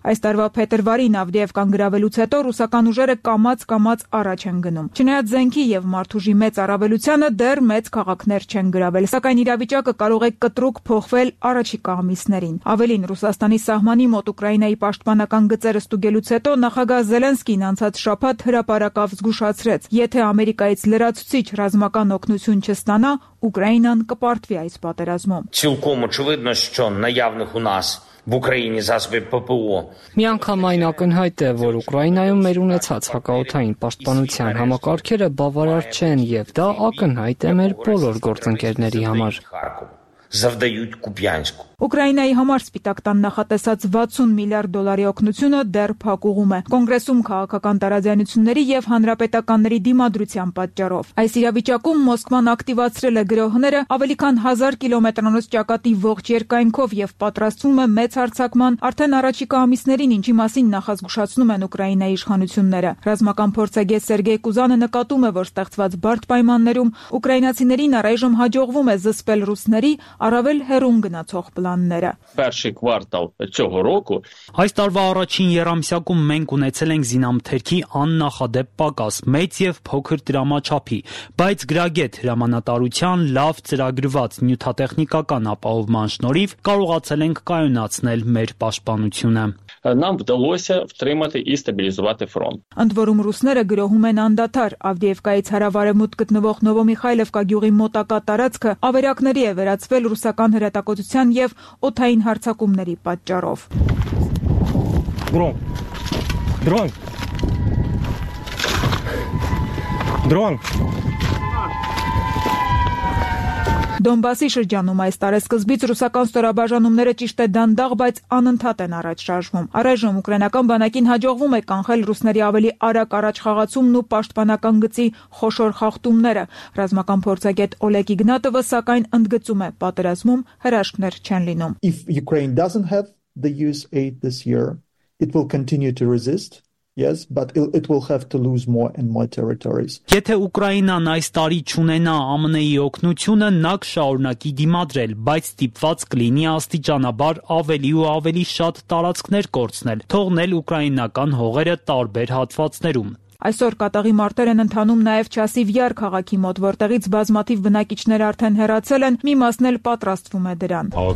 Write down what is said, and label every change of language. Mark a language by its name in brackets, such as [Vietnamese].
[Armenian] Այս տարվա փետրվարին Ավդիևկան գրավելուց հետո ռուսական ուժերը կամաց-կամաց առաջ են գնում։ Չնայած զենքի և մարդուժի մեծ առավելությանը դեռ մեծ քաղաքներ չեն գրավել, սակայն իրավիճակը կարող է կտրուկ փոխվել առաջիկա ամիսներին։ Ավելին, Ռուսաստանի սահմանի մոտ Ուկրաինայի պաշտպան պաշտոնական գծերը ստուգելուց հետո նախագահ Զելենսկին անցած շաբաթ հրապարակավ զգուշացրեց. Եթե Ամերիկայից լրացուցիչ ռազմական օգնություն չստանա, Ուկրաինան կպարտվի այս պատերազմում։ [Ukrainian] Цілком очевидно, що наявних у нас в Україні засоби ППО. [Armenian] Մի անգամ այն ակնհայտ է, որ Ուկրաինայում մեր ունեցած հակաօդային պաշտպանության համակարգերը բավարար չեն, եւ դա ակնհայտ է մեր բոլոր գործընկերների համար։ [Ukrainian] Завдають Куп'янську. [Armenian] Ուկրաինայի համար Սպիտակ տան նախատեսած 60 միլիարդ դոլարի օգնությունը դեռ փակուղում է Կոնգրեսում քաղաքական տարաձայնությունների եւ հանրապետականների դիմադրության պատճառով։ Այս իրավիճակում Մոսկվան ակտիվացրել է գրոհները ավելի քան 1000 կիլոմետրանոց ճակատի ողջ երկայնքով եւ պատրաստվում է մեծ հարձակման արդեն առաջիկա ամիսներին, ինչի մասին նախազգուշացնում են Ուկրաինայի իշխանությունները։ Ռազմական փորձագետ Սերգեյ Կուզանը նկատում է, որ ստեղծված բարդ պայմաններում ուկրաինացիներին առայժմ հաջողվում է զսպել ռուսների առավել հերուն գնացող պլանները։ [Ukrainian] Перший квартал цього року [Armenian] այս տարվա առաջին երամսյակում մենք ունեցել ենք զինամթերքի աննախադեպ պակաս, մեծ եւ փոքր դրամաչափի, բայց գրագետ հրամանատարության լավ ծրագրված նյութատեխնիկական ապահովման շնորհիվ կարողացել ենք կայունացնել մեր պաշտպանությունը։ [Ukrainian] Нам вдалося втримати і стабілізувати фронт. [Armenian] Ընդ որում ռուսները գրոհում են անդադար, Ավդիևկայից հարավարևմուտք գտնվող Նովոմիխայլովկա գյուղի մոտակա տարածքը ավերակների է վերածվել ռուսական հրատակոծության և օթային հարցակումների պատճառով։ Դրոն Դոնբասի շրջանում այս տարեսկզբից ռուսական ստորաբաժանումները ճիշտ է դանդաղ, բայց անընդհատ են առաջ շարժվում։ Առայժմ ուկրաինական բանակին հաջողվում է կանխել ռուսների ավելի արագ առաջ խաղացումն ու պաշտպանական գծի խոշոր խախտումները։ Ռազմական փորձագետ Օլեգ Իգնատովը, սակայն, ընդգծում է, պատերազմում հրաշքներ չեն լինում։ [English] If Ukraine doesn't have the US aid this year, it will continue to resist. Yes, but it will have to lose more and more territories. [Armenian] Եթե Ուկրաինան այս տարի չունենա ԱՄՆ-ի օգնությունը, նա կշարունակի դիմադրել, բայց ստիպված կլինի աստիճանաբար ավելի ու ավելի շատ տարածքներ կորցնել, թողնել ուկրաինական հողերը տարբեր հատվածներում։ Այսօր կատաղի մարտեր են ընթանում նաև Չասիվ Յար քաղաքի մոտ, որտեղից բազմաթիվ բնակիչներ արդեն հեռացել են, մի մասն էլ պատրաստվում է դրան։